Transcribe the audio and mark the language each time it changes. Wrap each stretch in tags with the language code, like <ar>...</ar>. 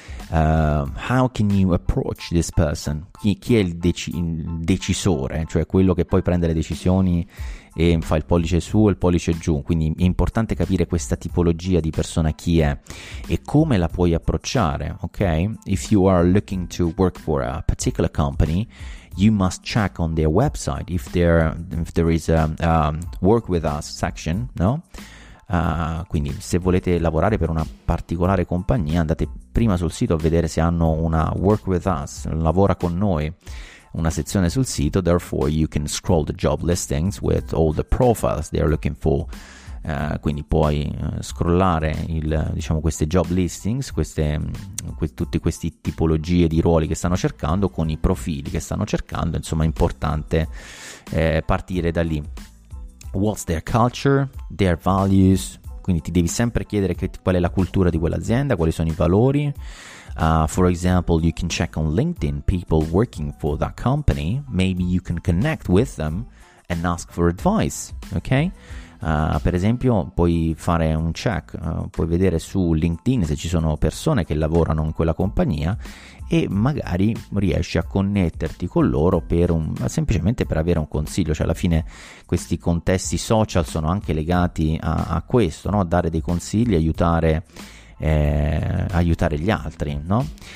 <en>How can you approach this person?</en> <it>Chi è il decisore, cioè quello che poi prende le decisioni e fa il pollice su e il pollice giù? Quindi è importante capire questa tipologia di persona chi è e come la puoi approcciare, ok?</it> <en>If you are looking to work for a particular company, you must check on their website if there is a work with us section, no?</en> <it>Quindi se volete lavorare per una particolare compagnia, andate prima sul sito a vedere se hanno una</it> <en>work with us,</en> <it>lavora con noi, una sezione sul sito.</it> <en>Therefore you can scroll the job listings with all the profiles they are looking for.</en> <it>Quindi puoi scrollare queste job listings, tutte queste tipologie di ruoli che stanno cercando con i profili che stanno cercando. Insomma, è importante partire da lì.</it> <en>What's their culture, their values?</en> <it>Quindi ti devi sempre chiedere qual è la cultura di quell'azienda, quali sono i valori.</it> <en>For example, you can check on LinkedIn people working for that company. Maybe you can connect with them and ask for advice, ok?</en> <it>Per esempio puoi fare un check, puoi vedere su LinkedIn se ci sono persone che lavorano in quella compagnia e magari riesci a connetterti con loro semplicemente per avere un consiglio. Cioè alla fine questi contesti social sono anche legati a questo, no? A dare dei consigli, aiutare gli altri, no?</it>